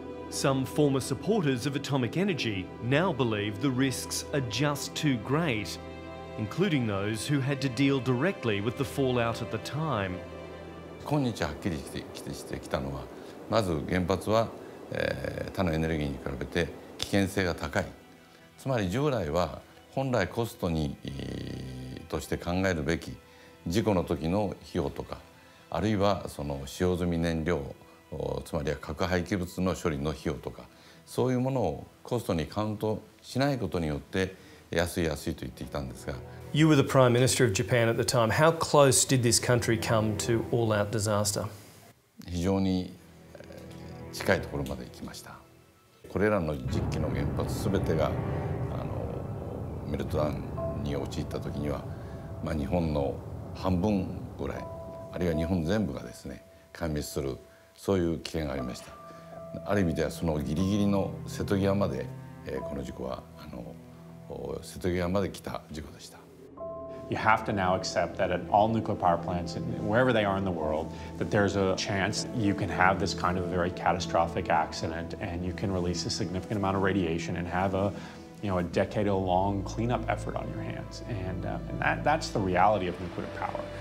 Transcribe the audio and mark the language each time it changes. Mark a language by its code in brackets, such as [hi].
[en] Some former supporters of atomic energy now believe the risks are just too great, including those who had to deal directly with the fallout at the time. [ja] 今日はっきりして来たのはまず原発は、他のエネルギーに比べて危険性が高い。つまり従来は本来コストに、として考えるべき事故の時の費用とか、あるいはその使用済み燃料、つまりは核廃棄物の処理の費用とか、そういうものをコストにカウントしないことによって安い安いと言っていたんですが。 [en] You were the Prime Minister of Japan at the time. How close did this country come to all-out disaster? [ja] 非常に近いところまで行きました。これらの実機の原発すべてがあのメルトダウンに陥った時には、まあ、日本の半分ぐらい、あるいは日本全部がですね、壊滅する、そういう危険がありました。ある意味ではそのギリギリの瀬戸際まで、この事故はあの瀬戸際まで来た事故でした。 [en] You have to now accept that at all nuclear power plants, wherever they are in the world, that there's a chance you can have this kind of a very catastrophic accident and you can release a significant amount of radiation and have a, you know, a decade-long cleanup effort on your hands. And that's the reality of nuclear power.